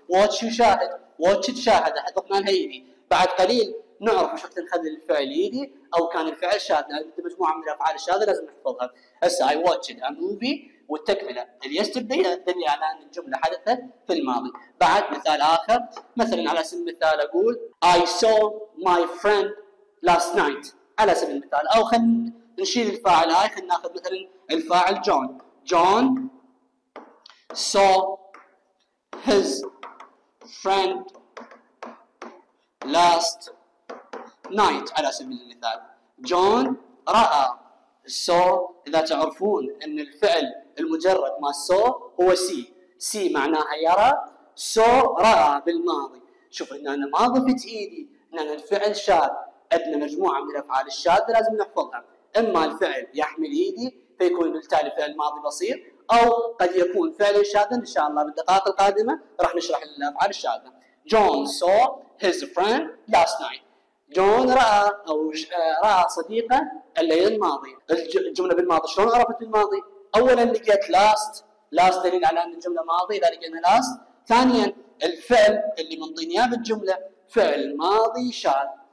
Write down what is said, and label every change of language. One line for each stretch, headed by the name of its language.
Arabic: watch شاهد، watched شاهد، حطنا الهيدي. بعد قليل نعرف شو تنخذ الفعل إيدي أو كان الفعل شاذ، لأن مجموعة من الأفعال الشاذة لازم نحفظها. هسه
English: I watched a movie
Arabic: والتكملة اليسترداي تدل على أن الجملة حدثت في الماضي. بعد مثال آخر، مثلا على سبيل المثال أقول
English: I saw my friend last night
Arabic: على سبيل المثال، أو خلنا نشيل الفاعل هاي، خلنا نأخذ مثلا الفاعل جون.
English: John saw his friend last night
Arabic: على سبيل المثال. جون رأى، saw، إذا تعرفون أن الفعل المجرد ما saw هو see، see معناها يرى، saw رأى بالماضي. شوف إن أنا ما ضفت إيدي، إن أنا الفعل شاذ، عندنا مجموعة من الأفعال الشاذة لازم نحفظها، إما الفعل يحمل إيدي فيكون بالتالي فعل ماضي بسيط، أو قد يكون فعل شاذ. إن شاء الله بالدقائق القادمة راح نشرح الأفعال الشاذة.
English: John saw his friend last night.
Arabic: جون رأى أو رأى صديقة الليل الماضي. الجملة بالماضي شلون عرفت الماضي؟ أولاً لقيت last، last دليل على أن الجملة ماضي، إذا لقينا last. ثانياً الفعل اللي منطيني إياه بالجملة فعل ماضي شاذ.